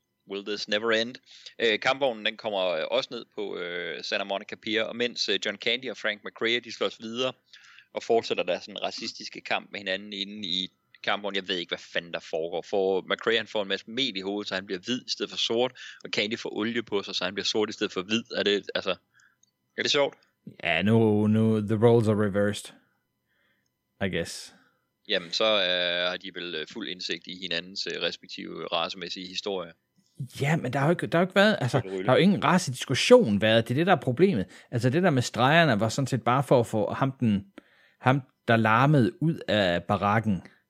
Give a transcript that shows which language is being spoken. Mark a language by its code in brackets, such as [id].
[en] Will this never end? [da] Kampvognen, den kommer også ned på Santa Monica Pier, og mens John Candy og Frank McCrea, de slås videre, og fortsætter der sådan racistiske kamp med hinanden inde i kampvognen. Jeg ved ikke, hvad fanden der foregår. For McCrea, han får en masse mel i hovedet, så han bliver hvid i stedet for sort, og Candy får olie på sig, så han bliver sort i stedet for hvid. Er det, altså, er det sjovt? [en] Ja, nu, the roles are reversed, I guess. [da] Jamen, så har de vel fuld indsigt i hinandens respektive racemæssige historie. Ja, men der har jo ingen racediskussion været. Det er det, der er problemet. Altså, det der med stregerne var sådan set bare for at få ham, der larmede ud af barakken.